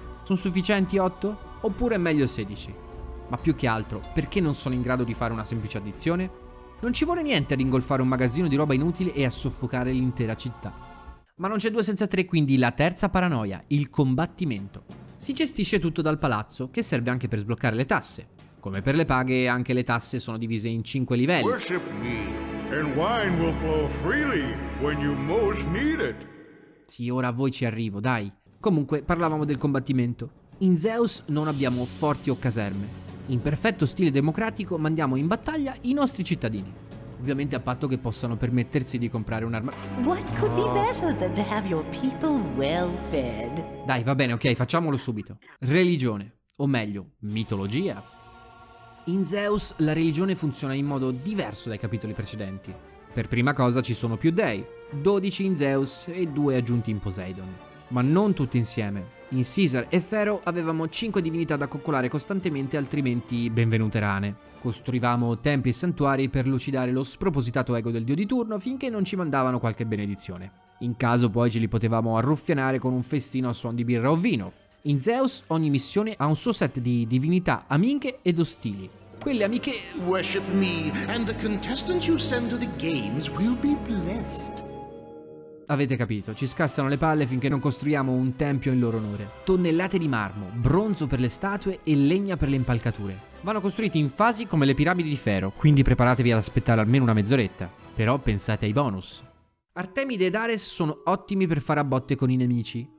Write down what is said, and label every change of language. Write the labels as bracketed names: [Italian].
[Italian] Sono sufficienti 8? Oppure meglio 16? Ma più che altro, perché non sono in grado di fare una semplice addizione? Non ci vuole niente ad ingolfare un magazzino di roba inutile e a soffocare l'intera città. Ma non c'è 2 senza 3, quindi la terza paranoia, il combattimento. Si gestisce tutto dal palazzo, che serve anche per sbloccare le tasse. Come per le paghe, anche le tasse sono divise in 5 livelli. [English] Worship me, and wine will flow freely when you most need it. [Italian] Sì, ora a voi ci arrivo, dai. Comunque, parlavamo del combattimento. In Zeus non abbiamo forti o caserme. In perfetto stile democratico mandiamo in battaglia i nostri cittadini. Ovviamente a patto che possano permettersi di comprare un'arma. [English] What could be better than to have your people well fed? [Italian] Dai, va bene, ok, facciamolo subito. Religione, o meglio, mitologia. In Zeus la religione funziona in modo diverso dai capitoli precedenti. Per prima cosa ci sono più dei, 12 in Zeus e 2 aggiunti in Poseidon. Ma non tutti insieme. In Caesar e Fero avevamo 5 divinità da coccolare costantemente, altrimenti benvenute rane. Costruivamo templi e santuari per lucidare lo spropositato ego del dio di turno finché non ci mandavano qualche benedizione. In caso poi ce li potevamo arruffianare con un festino a suon di birra o vino. In Zeus ogni missione ha un suo set di divinità amiche ed ostili. Quelle amiche [English] worship me and the contestants you send to the games will be blessed. [Italian] Avete capito, ci scassano le palle finché non costruiamo un tempio in loro onore. Tonnellate di marmo, bronzo per le statue e legna per le impalcature. Vanno costruiti in fasi come le piramidi di Fero, quindi preparatevi ad aspettare almeno una mezz'oretta. Però pensate ai bonus. Artemide ed Ares sono ottimi per fare a botte con i nemici.